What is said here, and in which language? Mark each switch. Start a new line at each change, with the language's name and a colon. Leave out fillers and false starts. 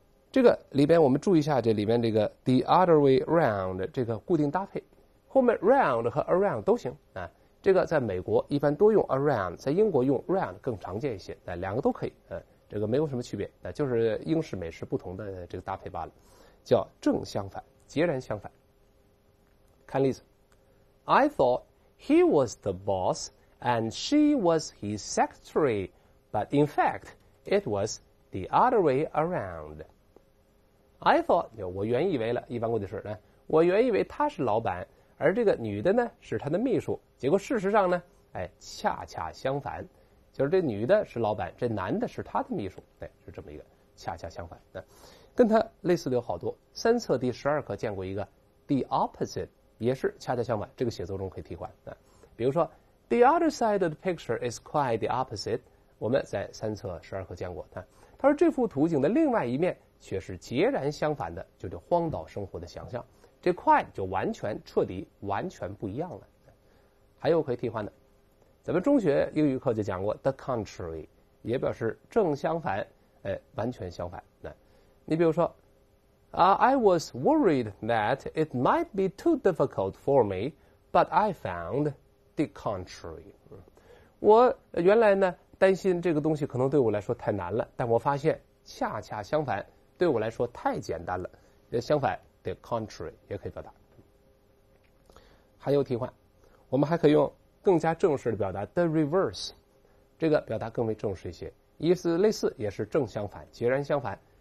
Chinese: 这个里边我们注意一下，这里边这个 the other way around 这个固定搭配，后面 round 和 around 都行啊。这个在美国一般多用 around， 在英国用 round 更常见一些，那两个都可以，这个没有什么区别，那就是英式美式不同的这个搭配罢了，叫正相反，截然相反。看例子
English: ，I thought he was the boss and she was his secretary， but in fact it was the other way around。 I thought，
Chinese: 我原以为了，一般过去式呢，我原以为他是老板，而这个女的呢是他的秘书，结果事实上呢，哎，恰恰相反，就是这女的是老板，这男的是他的秘书，对，是这么一个恰恰相反。跟他类似的有好多，三册第十二课见过一个 the opposite， 也是恰恰相反，这个写作中可以替换。比如说
English: the other side of the picture is quite the opposite，
Chinese: 我们在三册十二课见过。他说这幅图景的另外一面却是截然相反的，就是荒岛生活的想象，这快就完全彻底完全不一样了。还有可以替换的，咱们中学英语课就讲过 the contrary， 也表示正相反，哎，完全相反。那你比如说啊、
English: I was worried that it might be too difficult for me， but I found the contrary。
Chinese: 我原来呢担心这个东西可能对我来说太难了，但我发现恰恰相反，对我来说太简单了。相反 the contrary 也可以表达。还有替换，我们还可以用更加正式的表达 the reverse， 这个表达更为正式一些，意思类似，也是正相反，截然相反。